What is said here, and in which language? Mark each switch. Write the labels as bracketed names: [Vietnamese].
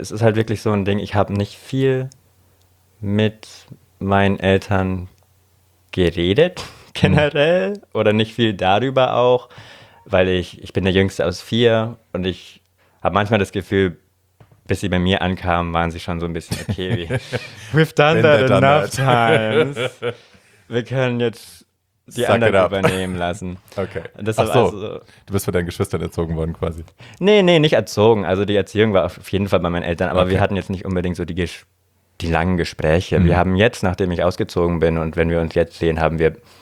[German] Es ist halt wirklich so ein Ding, ich habe nicht viel mit meinen Eltern geredet. Generell oder nicht viel darüber auch, weil ich bin der Jüngste aus vier und ich habe manchmal das Gefühl, bis sie bei mir ankamen, waren sie schon so ein bisschen okay, wie [English] we've done that enough times. [German] Wir können jetzt die Suck anderen übernehmen lassen. Okay. Das war so. Also, du bist von deinen Geschwistern erzogen worden quasi. Nee, nicht erzogen. Also die Erziehung war auf jeden Fall bei meinen Eltern, aber wir hatten jetzt nicht unbedingt so die langen Gespräche. Mhm. Wir haben jetzt, nachdem ich ausgezogen bin und wenn wir uns jetzt sehen, haben wir